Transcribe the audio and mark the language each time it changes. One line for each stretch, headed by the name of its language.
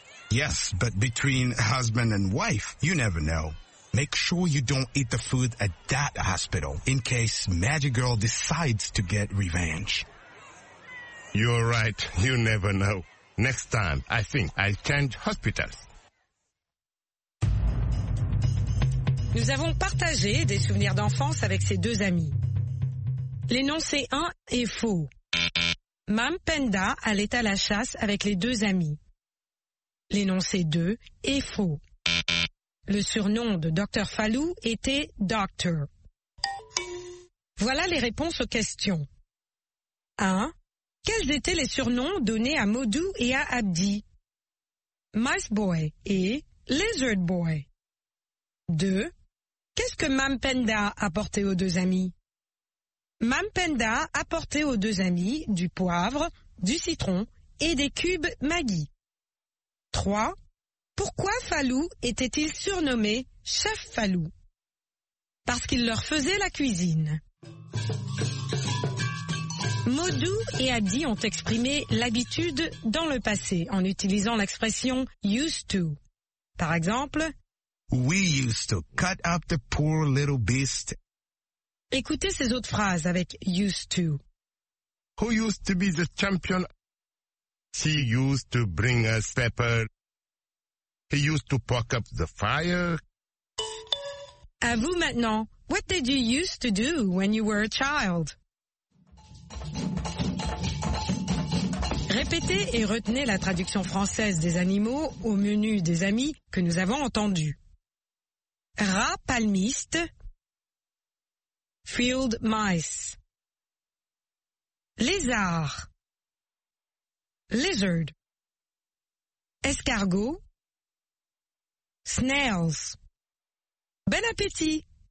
English: Yes, but between husband and wife, you never know. Make sure you don't eat the food at that hospital in case Magic Girl decides to get revenge. You're right. You never know. Next time, I think I'll change hospitals.
French: Nous avons partagé des souvenirs d'enfance avec ces deux amis. L'énoncé 1 est faux. Mam Penda allait à la chasse avec les deux amis. L'énoncé 2 est faux. Le surnom de Dr. Fallou était Doctor. Voilà les réponses aux questions. 1. Quels étaient les surnoms donnés à Modou et à Abdi? Mice Boy et Lizard Boy. 2. Qu'est-ce que Mam Penda a porté aux deux amis? Mam Penda a porté aux deux amis du poivre, du citron et des cubes Maggi. 3. Pourquoi Falou était-il surnommé Chef Falou? Parce qu'il leur faisait la cuisine. Modou et Abdi ont exprimé l'habitude dans le passé en utilisant l'expression used to. Par exemple,
English: we used to cut up the poor little beast.
French: Écoutez ces autres phrases avec used to.
English: Who used to be the champion? She used to bring us pepper. He used to poke up the fire.
French: À vous maintenant.
English: What did you used to do when you were a child?
French: Répétez et retenez la traduction française des animaux au menu des amis que nous avons entendu. Rat palmiste.
English: Field mice.
French: Lézard.
English: Lizard.
French: Escargot.
English: Snails.
French: Bon appétit!